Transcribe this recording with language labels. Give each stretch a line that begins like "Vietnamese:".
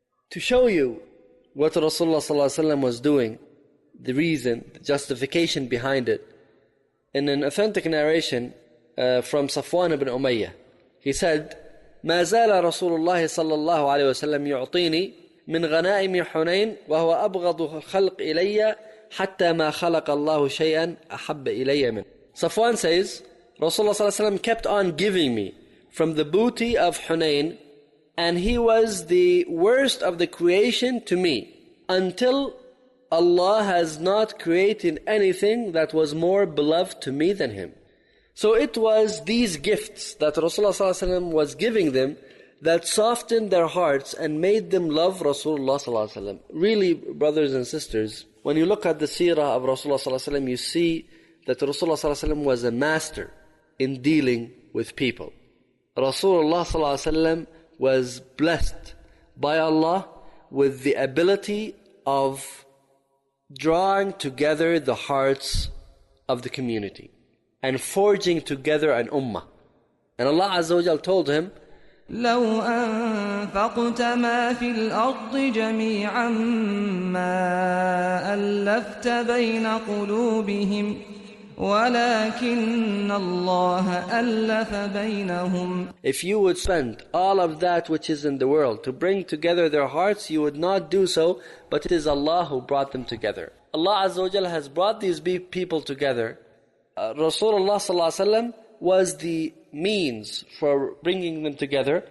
English: To show you what Rasulullah sallallahu alaihi wasallam was doing, the reason, the justification behind it, in an authentic narration from Safwan ibn Umayyah, he said,
Arabic: ما زال رسول الله صلى الله عليه وسلم يعطيني من غنائم حنين وهو أبغض الخلق إلي حتى ما خلق الله شيئا أحب إلي منه.
English: Safwan says, Rasulullah sallallahu alayhi wa kept on giving me from the booty of Hunayn, and he was the worst of the creation to me until Allah has not created anything that was more beloved to me than him. So it was these gifts that Rasulullah sallallahu alayhi wa sallam was giving them that softened their hearts and made them love Rasulullah sallallahu alayhi wa sallam. Really, brothers and sisters, when you look at the seerah of Rasulullah sallallahu alayhi wa sallam, you see that Rasulullah sallallahu alayhi wa sallam was a master in dealing with people. Rasulullah sallallahu alayhi wa sallam was blessed by Allah with the ability of drawing together the hearts of the community and forging together an ummah. And Allah Azza wa Jal told him,
Arabic: لو أنفقت ما في الأرض جميعا ما ألفت بين قلوبهم وَلَكِنَّ اللَّهَ أَلَّفَ بَيْنَهُمْ.
English: If you would spend all of that which is in the world to bring together their hearts, you would not do so, but it is Allah who brought them together. Allah Azza wa Jalla has brought these people together. Rasulullah Sallallahu Alaihi Wasallam was the means for bringing them together.